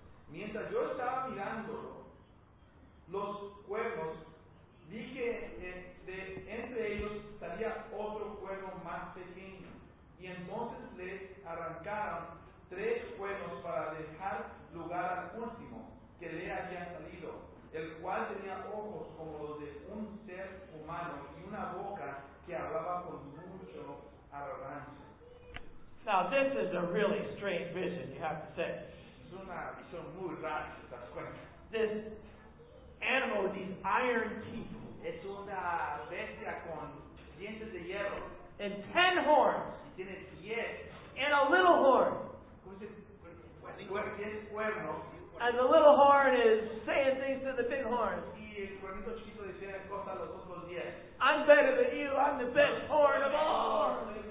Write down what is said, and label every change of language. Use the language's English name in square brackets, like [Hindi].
[Spanish] Mientras yo estaba mirándolo, los cuernos, vi que de entre ellos salía otro cuerno más pequeño, y entonces le arrancaron 3 cuernos para dejar lugar al último que le había salido, el cual tenía ojos como los de un ser humano y una boca que hablaba con mucho arrogancia. [English] Now, this is a really strange vision, you have to say. [Spanish] Es una visión muy rara, si te das cuenta. [English] This animal with these iron teeth. [Spanish] Es una bestia con dientes de hierro. [English] And 10 horns. [Spanish] Y tiene 10. [English] And a little horn. [Spanish] ¿Cómo se dice? Tiene cuernos. [English] And the little horn is saying things to the big horn. [Spanish] Y el cuernito chiquito dice cosas a los otros 10. [English] I'm better than you, I'm the best horn of all.